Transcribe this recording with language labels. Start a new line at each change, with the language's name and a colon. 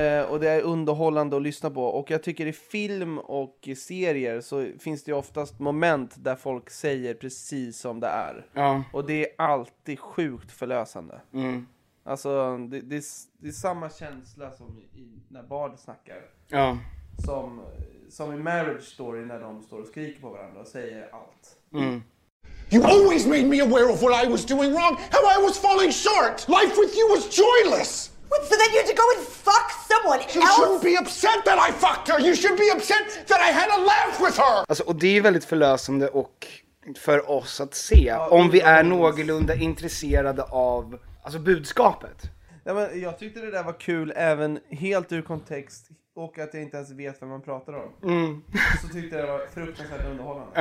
Swedish: Och det är underhållande att lyssna på. Och jag tycker i film och i serier så finns det ju oftast moment där folk säger precis som det är. Ja. Och det är alltid sjukt förlösande. Mm. Alltså det är samma känsla som i, när Bard snackar. Ja. Som i Marriage Story när de står och skriker på varandra och säger allt. Mm.
English: You always made me aware of what I was doing wrong, how I was falling short. Life with you was joyless. What, so then you had to go and fuck someone else? You shouldn't be upset that I fucked her. You should be upset that I had a laugh with her.
Swedish: Alltså, och det är väldigt förlösande och för oss att se om vi är någorlunda intresserade av alltså budskapet. Ja, men jag tyckte det där var kul även helt ur kontext. Och att jag inte ens vet vem man pratar om. Mm. Så tyckte jag det var fruktansvärt underhållande.